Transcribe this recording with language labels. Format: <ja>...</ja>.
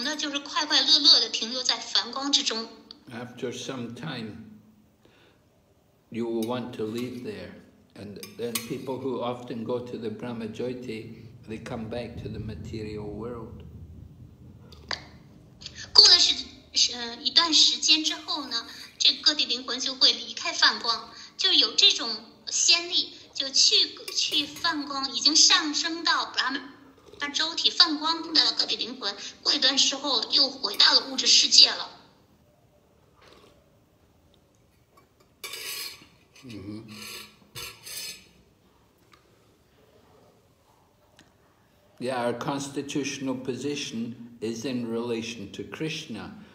<zh>如果个体灵魂仅仅停留在梵光之中呢，它不会永恒的，就是快快乐乐的停留在梵光之中。</zh> <en>After some time, you will want to leave there. And then people who often go to the Brahma Jyoti, they come back to the material world.</en> <zh>过了一段时间之后呢， 这个地灵魂就会离开梵光，就有这种先例，就去梵光，已经上升到Brahman周体梵光的个地灵魂，过一段时候又回到了物质世界了。</zh> <en>Mm-hmm. Yeah, our constitutional position is in relation to Krishna.</en>